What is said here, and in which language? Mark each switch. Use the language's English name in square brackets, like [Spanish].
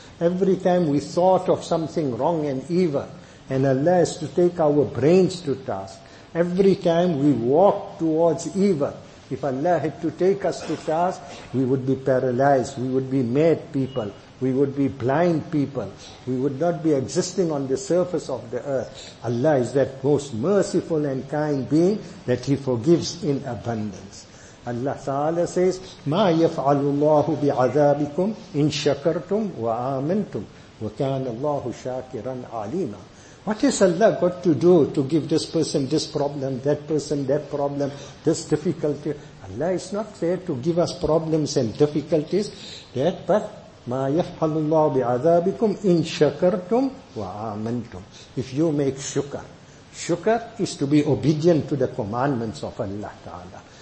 [English] every time we thought of something wrong and evil, and Allah has to take our brains to task, every time we walk towards evil, if Allah had to take us to task, we would be paralyzed, we would be mad people, we would be blind people, we would not be existing on the surface of the earth. Allah is that most merciful and kind being that He forgives in abundance. Allah Ta'ala says, [Arabic] مَا يَفْعَلُ اللَّهُ بِعَذَابِكُمْ إِن شَكَرْتُمْ وَآمَنْتُمْ وَكَانَ اللَّهُ شَاكِرًا عَلِيمًا. [English] What has Allah got to do to give this person this problem, that person that problem, this difficulty? Allah is not there to give us problems and difficulties, but [Arabic] مَا يَفْحَلُ اللَّهُ بِعَذَابِكُمْ إِن شَكَرْتُمْ وَآمَنْتُمْ. [English] If you make shukr, shukr is to be obedient to the commandments of Allah Ta'ala.